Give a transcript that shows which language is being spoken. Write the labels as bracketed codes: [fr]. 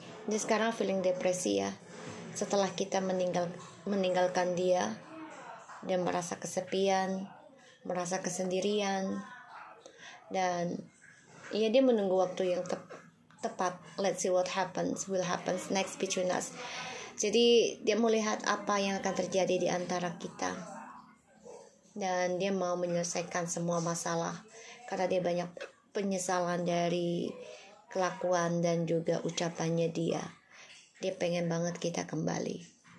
[id] Dia sekarang feeling depresi ya, setelah kita meninggalkan dia. Dia merasa kesepian, merasa kesendirian, dan ya dia menunggu waktu yang tepat. [en] Let's see what happens, will happens next between us. [id] Jadi dia melihat apa yang akan terjadi di antara kita, dan dia mau menyelesaikan semua masalah karena dia banyak penyesalan dari kelakuan dan juga ucapannya dia. Dia pengen banget kita kembali.